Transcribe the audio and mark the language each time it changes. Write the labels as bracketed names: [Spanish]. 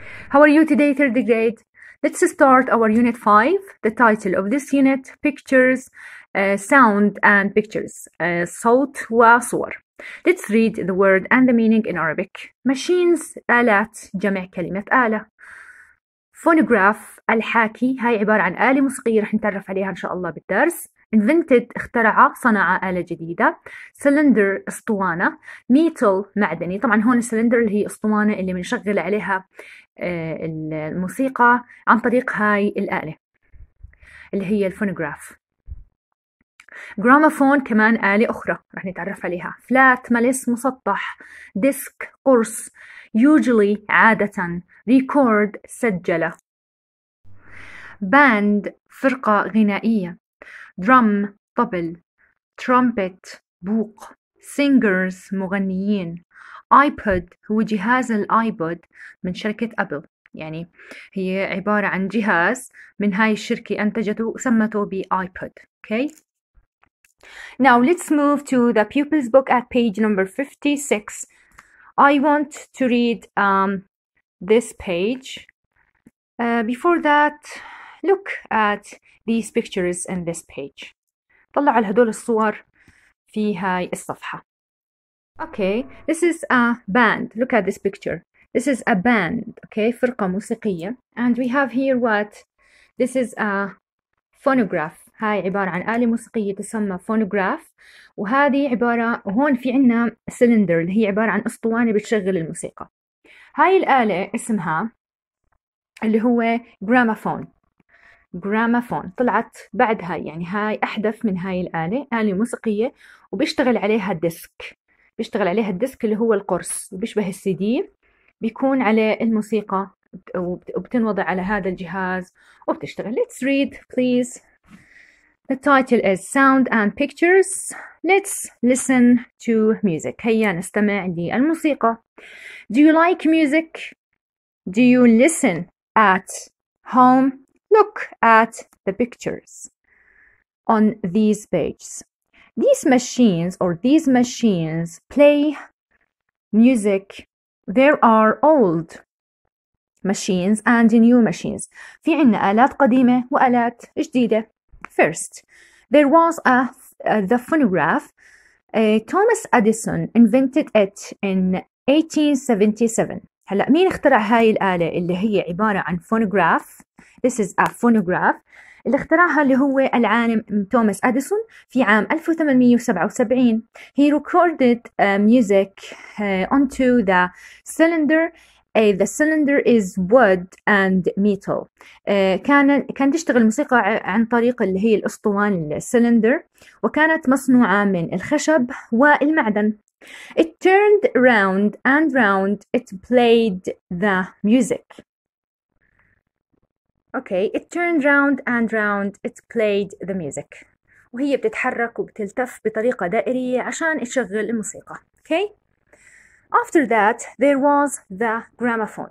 [English] How are you today, third grade? Let's start our unit 5. The title of this unit: pictures, sound and pictures. [Arabic] Sawt wa sawar. [English] Let's read the word and the meaning in Arabic. [Arabic] Machines, alat, jam' kalimat ala. Phonograph, al-haki, هاي عبارة عن آلة موسيقية رح نتعرف عليها إن شاء الله بالدرس. Invented, اخترع, صنع آلة جديدة. Cylinder, اسطوانة. Metal, معدني. طبعا هون السلندر اللي هي اسطوانة اللي بنشغل عليها الموسيقى عن طريق هاي الآلة اللي هي الفونوغراف. Gramophone, كمان آلة أخرى رح نتعرف عليها. Flat, ملس, مسطح. Disc, قرص. Usually, عادة. Record, سجلة. Band, فرقة غنائية. Drum, طبل. Trumpet, بوق. Singers, مغنيين. iPod, هو جهاز الآيبود من شركة أبل، يعني هي عبارة عن جهاز من هاي الشركة أنتجته وسمته بآيبود. [English] Okay. Now let's move to the pupil's book at page number 56. I want to read this page. Before that, look at these pictures in this page. [Arabic] طلع على هدول الصور في هاي الصفحة. [English] Okay, this is a band. Look at this picture. This is a band. [Arabic] Okay, فرقة موسيقية. [English] And we have here what? This is a phonograph. [Arabic] هاي عبارة عن آلة موسيقية تسمى phonograph. وهذه عبارة، هون في عنا cylinder اللي هي عبارة عن أسطوانة بتشغل الموسيقى. هاي الآلة اسمها اللي هو gramophone. جرامافون طلعت بعدها، يعني هاي أحدث من هاي الآلة، آلة موسيقية، وبيشتغل عليها الديسك. بيشتغل عليها الديسك اللي هو القرص، بيشبه السي دي، بيكون عليه الموسيقى وبتنوضع على هذا الجهاز وبتشتغل. [English] Let's read, please. The title is Sound and Pictures. Let's listen to music. [Arabic] هيا نستمع للموسيقى. [English] Do you like music? Do you listen at home? Look at the pictures on these pages. These machines play music. There are old machines and new machines. [Arabic] في عنا آلات قديمة وآلات جديدة. [English] First, there was the phonograph. Thomas Edison invented it in 1877. [Arabic] هلأ مين اخترع هاي الآلة اللي هي عبارة عن phonograph؟ [English] This is a phonograph. [Arabic] اللي اخترعها اللي هو العالم توماس أديسون في عام 1877. [English] He recorded music onto the cylinder. The cylinder is wood and metal. [Arabic] كان تشتغل الموسيقى عن طريق اللي هي الأسطوان السيلندر، وكانت مصنوعة من الخشب والمعدن. [English] It turned round and round. It played the music. Okay, it turned round and round, it played the music. [Arabic] وهي بتتحرك وبتلتف بطريقة دائرية عشان تشغل الموسيقى. [English] Okay? After that, there was the gramophone.